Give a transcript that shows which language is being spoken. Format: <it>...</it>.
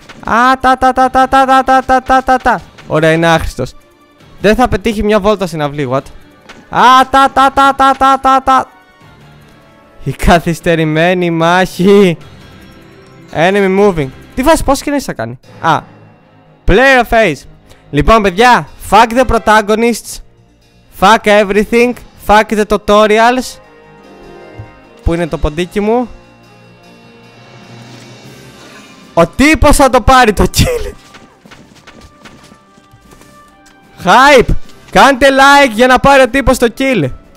<el>Α, τα, τα, τα, τα, τα, τα, τα, τα, τα, τα. Ωραία, είναι άχρηστος. Δεν θα πετύχει μια βόλτα στην αυλή,</el> <en>what?</en> <el>Α, τα, τα, τα, τα, τα, τα, τα. Η καθυστερημένη μάχη.</el> <en>Enemy moving.</en> <el>Τι φάση, πόσες κινήσεις θα κάνει?</el> <en>Α, player phase.</en> <el>Λοιπόν, παιδιά,</el> <en>fuck the protagonists. Fuck everything. Fuck the tutorials.</en> <el>Πού είναι το ποντίκι μου? Ο τύπος θα το πάρει το kill.</el> <en>Hype!</en> <el>Κάντε like για να πάρει ο τύπος το kill.</el>